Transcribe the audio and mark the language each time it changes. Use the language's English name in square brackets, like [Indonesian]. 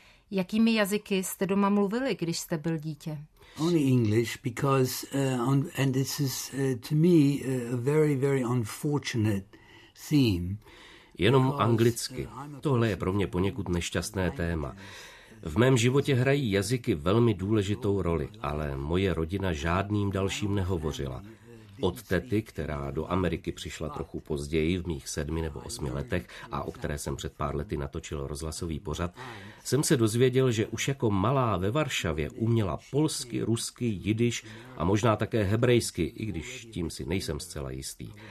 [Czech] Jakými jazyky jste doma mluvili, když jste byl dítě? [English] Only English, because and this is to me a very, very unfortunate theme. [Czech] Jenom anglicky. Tohle je pro mě poněkud nešťastné téma. V mém životě hrají jazyky velmi důležitou roli, ale moje rodina žádným dalším nehovořila. Od tety, která do Ameriky přišla trochu později v mých 7 nebo 8 letech a o které jsem před pár lety natočil rozhlasový pořad, jsem se dozvěděl, že už jako malá ve Varšavě uměla polsky, rusky, jidiš a možná také hebrejsky, i když tím si nejsem zcela jistý.